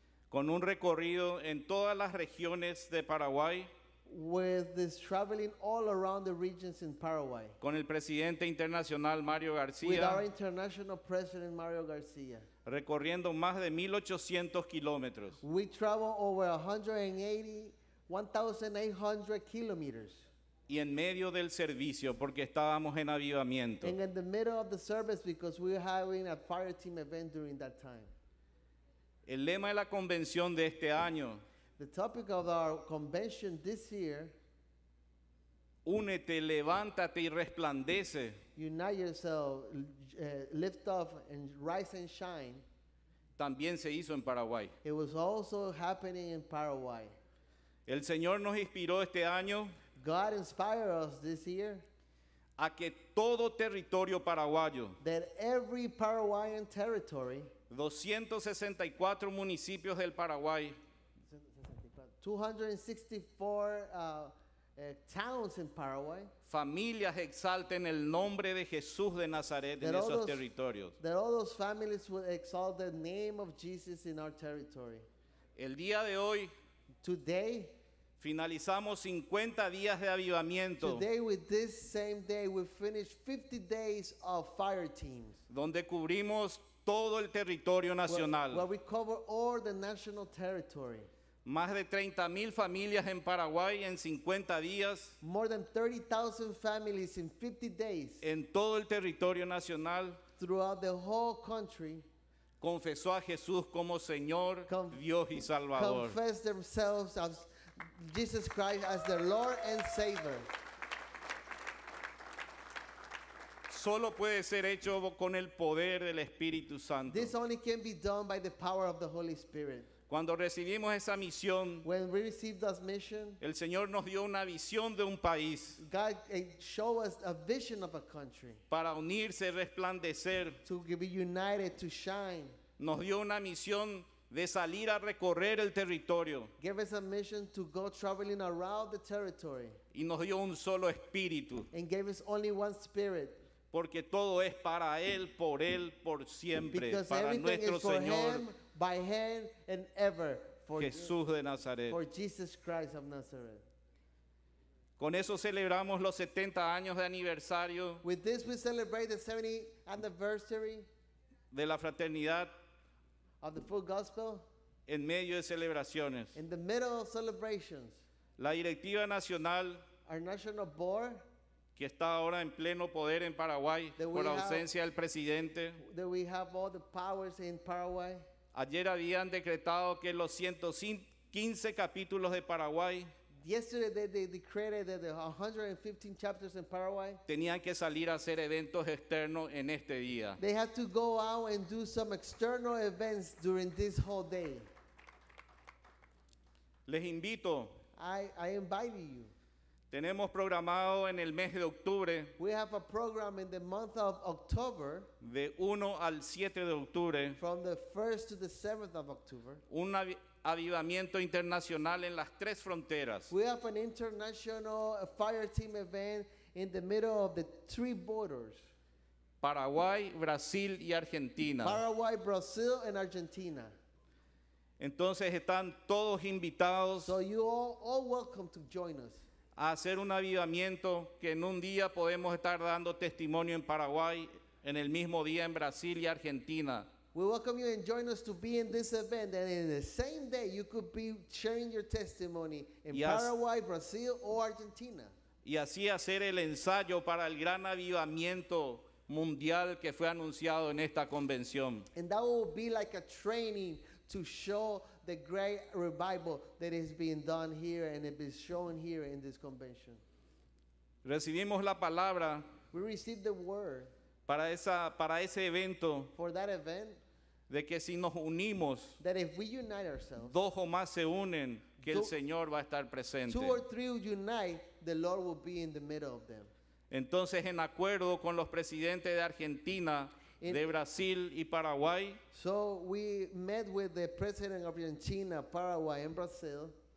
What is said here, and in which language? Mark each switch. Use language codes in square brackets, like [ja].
[es] Con un recorrido en todas las regiones de Paraguay. [en] with this traveling all around the regions in Paraguay. [es] Con el presidente internacional Mario García. [en] With our international president Mario García. [es] Recorriendo más de 1,800 kilómetros. [en] We travel over 1,800 kilometers. [es] Y en medio del servicio, porque estábamos en avivamiento. [en] And in the middle of the service, because we were having a fire team event during that time. [es] El lema de la convención de este año. [en] The topic of our convention this year. [es] Únete, levántate y resplandece. [en] Unite yourself, lift up and rise and shine. [es] También se hizo en Paraguay. [en] It was also happening in Paraguay. [es] El Señor nos inspiró este año. [en] God inspired us this year. [es] A que todo territorio paraguayo. [en] That every Paraguayan territory. [es] 264 municipios del Paraguay. [en] 264 towns in Paraguay. [es] Familias exalten el nombre de Jesús de Nazaret en esos territorios. [en] That all those families will exalt the name of Jesus in our territory. [es] El día de hoy. [en] Today. [es] Finalizamos 50 días de avivamiento. [en] Today with this same day we finished 50 days of fire teams. [es] Donde cubrimos todo el territorio nacional. [en] Where we cover all the national territory. [es] Más de 30,000 familias en Paraguay en 50 días. [en] More than 30,000 families in 50 days. [es] En todo el territorio nacional. [en] Throughout the whole country. [es] Confesó a Jesús como Señor, Dios y Salvador. [en] Confessed themselves as Jesus Christ as their Lord and Savior. [es] Solo puede ser hecho con el poder del Espíritu Santo. [en] This only can be done by the power of the Holy Spirit. [es] Cuando recibimos esa misión, [en] when we received that mission, [es] el Señor nos dio una visión de un país. [en] God showed us a vision of a country. [es] Para unirse, resplandecer. [en] To be united, to shine. [es] Nos dio una misión de salir a recorrer el territorio. [en] Gave us a mission to go traveling around the territory. [es] Y nos dio un solo espíritu. [en] And gave us only one spirit. [es] Porque todo es para Él, por Él, por siempre. [en] Because [es] para nuestro [en] is for [es] Señor. [en] Him, by hand and ever for [es] Jesús de Nazaret. [en] For Jesus Christ of Nazareth. [es] Con eso celebramos los 70 años de aniversario. [en] With this we celebrate the 70th anniversary. [es] De la fraternidad. [en] Of the full gospel. [es] En medio de celebraciones. [en] In the middle of celebrations. [es] La directiva nacional. [en] Our national board. [es] Que está ahora en pleno poder en Paraguay. Por la ausencia del presidente. [en] That we have all the powers in Paraguay. [es] Ayer habían decretado que los 115 capítulos de Paraguay. [en] Yesterday they decreed that the 115 chapters in Paraguay. [es] Tenían que salir a hacer eventos externos en este día. [en] They had to go out and do some external events during this whole day. [es] Les invito. [en] I invite you. [es] Tenemos programado en el mes de octubre. [en] We have a program in the month of October. [es] De 1 al 7 de octubre. [en] From the 1st to the 7th of October. [es] Un avivamiento internacional en las tres fronteras. [en] We have an international fire team event in the middle of the three borders. [es] Paraguay, Brasil y Argentina. [en] Paraguay, Brazil and Argentina. [es] Entonces están todos invitados. [en] So you all welcome to join us. [es] A hacer un avivamiento que en un día podemos estar dando testimonio en Paraguay, en el mismo día en Brasil y Argentina. [en] We welcome you and join us to be in this event, and in the same day you could be sharing your testimony in Paraguay, Brazil or Argentina. [es] Y así hacer el ensayo para el gran avivamiento mundial que fue anunciado en esta convención. [en] And that will be like a training to show the great revival that is being done here and it is shown here in this convention. [es] Recibimos la palabra. [en] We received the word. [es] Para ese evento. [en] For that event. [es] De que si nos unimos. [en] That if we unite ourselves. [es] Dos o más se unen. Que el Señor va a estar presente. [en] Two or three unite. The Lord will be in the middle of them. [es] Entonces en acuerdo con los presidentes de Argentina. De Brasil y Paraguay. [en] So we met with the president of Argentina, Paraguay and Brazil.